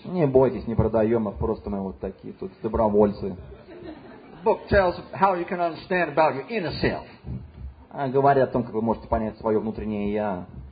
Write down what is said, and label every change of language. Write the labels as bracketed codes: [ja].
[ru] Не бойтесь, не продаем, а просто мы вот такие тут добровольцы. [en] Book tells how you can understand about your inner self. [ru] Говорит о том, как вы можете понять свое внутреннее я.